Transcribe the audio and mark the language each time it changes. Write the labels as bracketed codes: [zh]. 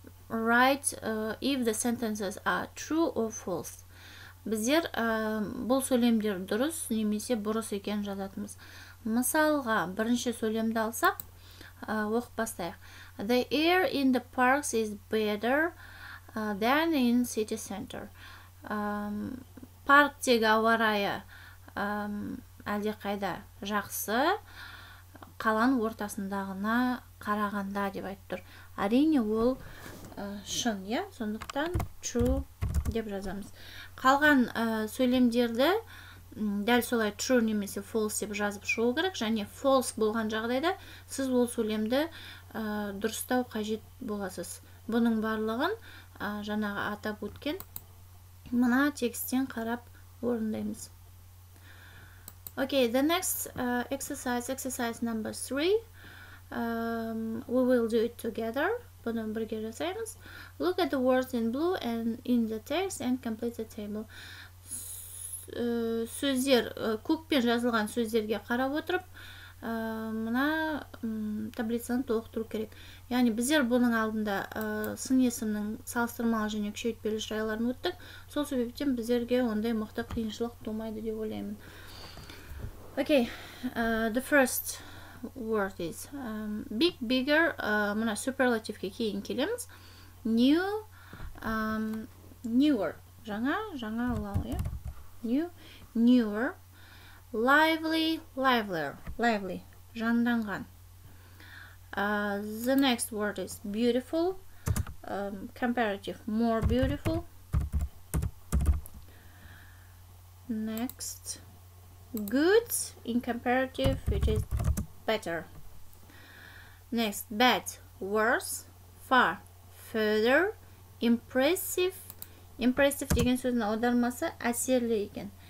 [en] We will write if the sentences are true or false. [kk] Біздер бұл сөйлемдер дұрыс немесе бұрыс екен жазатымыз. Мысалға, бірінші сөйлемді алсақ, оқып бастайық. [en] The air in the parks is better than in city center. [kk] Парктегі ауа райы әлде қайда жақсы, қалан ортасындағына қарағанда деп айтып тұр. Әрине ол шын, иә? Сондықтан true деп жазамыз. Қалған сөйлемдерді дәл солай true немесе false деп жазып шығу керек. Және false болған жағдайда сіз ол сөйлемді дұрыстау қажет боласыз. Бұның барлығын жаңағы атап өткен мына текстен қарап орындаймыз. [en] Okay, the next exercise number three. We will do it together. Bonenberger assignments. Look at the words in blue and in the text and complete the table. [kk] Сөздер көкпен жазылған сөздерге қарап отырып, мына таблицаны толықтыру керек. Яғни біздер бұның алдында сын есімнің салыстырмалы және күшейтпелі жайларын өттік. Сол себептен біздерге ондай мықты қиыншылық тумайды деп ойлаймын. [en] Okay, the first word is big, bigger. [kk] Мына superlative-ке кейін келеміз. [en] New, newer. [kk] Жаңа ұлалы, иә? [en] New, newer, lively, livelier, lively, [kk] жанданған. [en] The next word is beautiful, comparative, more beautiful. Next, good, in comparative, it is better. Next, bad, worse, far, further, impressive. [kk] Impressive деген сөзінің аудармасы әсерлі екен.